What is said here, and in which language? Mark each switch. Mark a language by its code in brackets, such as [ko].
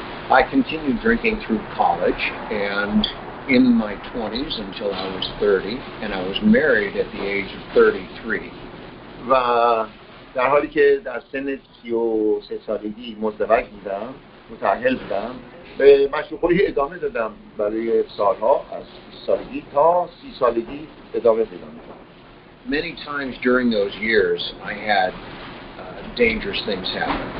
[en] I continued drinking through college and in my 20s until I was 30 and I was married at the age of 33. [fa] و در حالی که در سن 33 سالگی مزدوج بودم، متأهل بودم، به مشغولی ادامه دادم برای سالها از 20 سالگی تا 30 سالگی ادامه دادم. [en] Many times during those years I had dangerous things happen.